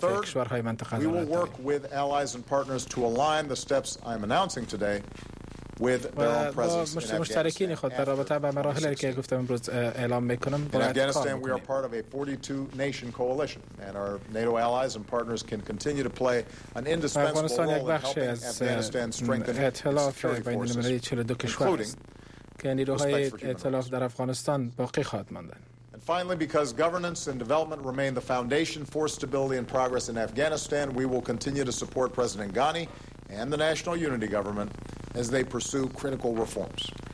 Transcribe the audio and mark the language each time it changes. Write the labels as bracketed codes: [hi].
[en] Third, we will work with allies and partners to align the steps I am announcing today with their own presence in Afghanistan. In Afghanistan, we are part of a 42-nation coalition, and our NATO allies and partners can continue to play an indispensable role in helping Afghanistan strengthen its security forces, including. [fa] که نیروهای ائتلاف در افغانستان باقی خواهد ماند. [en] And finally, because governance and development remain the foundation for stability and progress in Afghanistan, we will continue to support President Ghani and the National Unity Government as they pursue critical reforms.